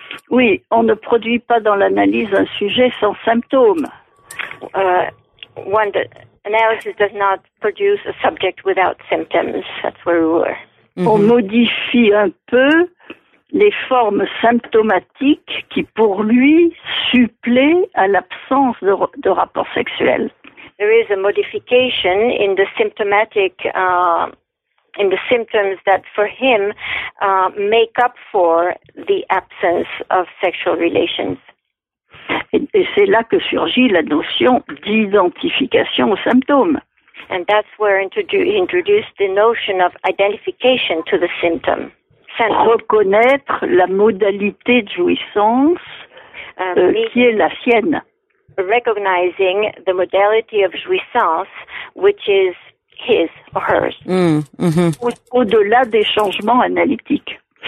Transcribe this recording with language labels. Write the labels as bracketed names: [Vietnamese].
[French] Oui, on ne produit pas dans l'analyse un sujet sans symptômes. [English] When the analysis does not produce a subject without symptoms, that's where we were. Mm-hmm. [French] On modifie un peu les formes symptomatiques qui, pour lui, supplaient à l'absence de rapport sexuel. [English] There is a modification in the symptomatic in the symptoms that for him make up for the absence of sexual relations. [French] Et c'est là que surgit la notion d'identification aux symptômes. [English] And that's where introduced the notion of identification to the symptom. [French] Reconnaître la modalité de jouissance qui est la sienne. [English] Recognizing the modality of jouissance which is his or hers. Mm, mm-hmm. [French] Au-delà des changements analytiques.